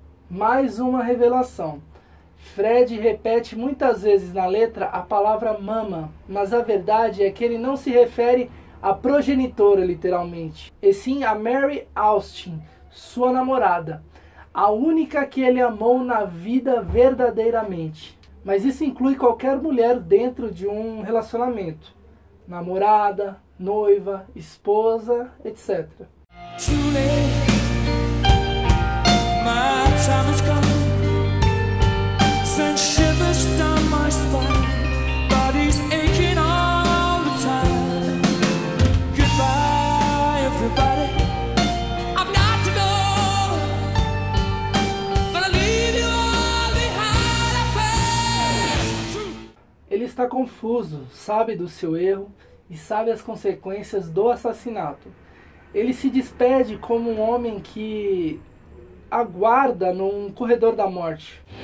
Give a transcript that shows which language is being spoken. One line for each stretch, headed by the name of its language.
Portuguese: Mais uma revelação. Fred repete muitas vezes na letra a palavra mama, mas a verdade é que ele não se refere à progenitora, literalmente, e sim a Mary Austin, sua namorada, a única que ele amou na vida verdadeiramente. Mas isso inclui qualquer mulher dentro de um relacionamento. Namorada, noiva, esposa, etc.
English: Too late, my time has come. Sent shivers down my spine. Body's aching all the time. Goodbye, everybody. I've got to go. But I leave you all behind, I fail.
Portuguese: Ele está confuso, sabe do seu erro e sabe as consequências do assassinato. Ele se despede como um homem que aguarda num corredor da morte.